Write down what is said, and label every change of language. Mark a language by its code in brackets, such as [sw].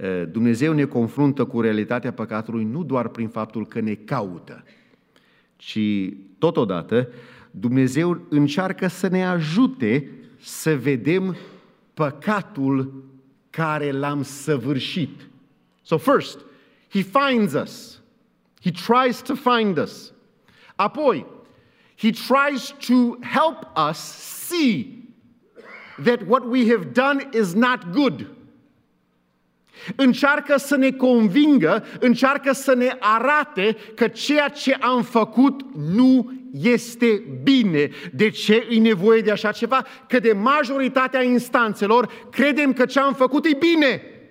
[ro] Dumnezeu ne confruntă cu realitatea păcatului nu doar prin faptul că ne caută, ci totodată Dumnezeu încearcă să ne ajute să vedem păcatul care l-am săvârșit. [en] So first, he finds us. He tries to find us. [ro] Apoi, [en] he tries to help us see that what we have done is not good. [ro] Încearcă să ne convingă, încearcă să ne arate că ceea ce am făcut nu este bine. De ce e nevoie de așa ceva? Că de majoritatea instanțelor credem că ce am făcut e bine.